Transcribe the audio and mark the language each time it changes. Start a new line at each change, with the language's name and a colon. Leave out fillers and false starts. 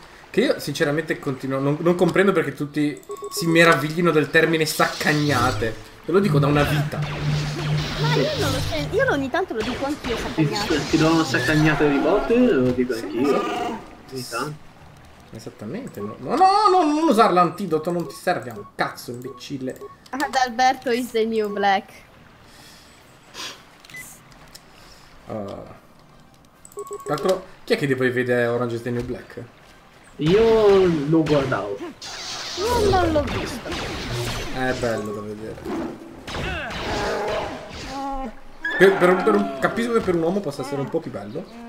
Italian: Che io sinceramente continuo. Non comprendo perché tutti si meraviglino del termine saccagnate. Ve lo dico da una vita. Ma io ogni tanto lo dico anch'io saccagnate. Ti do una saccagnata di botte, lo dico anch'io. Sì. Esattamente. No, non usare l'antidoto, non ti serve a un cazzo, imbecille.
English: Adalberto is the new black.
Italian: Tra l'altro, chi è che poi vede Orange is the new black? Io lo guardavo. Non l'ho visto. È bello da vedere. Per capisco che per un uomo possa essere un po' più bello.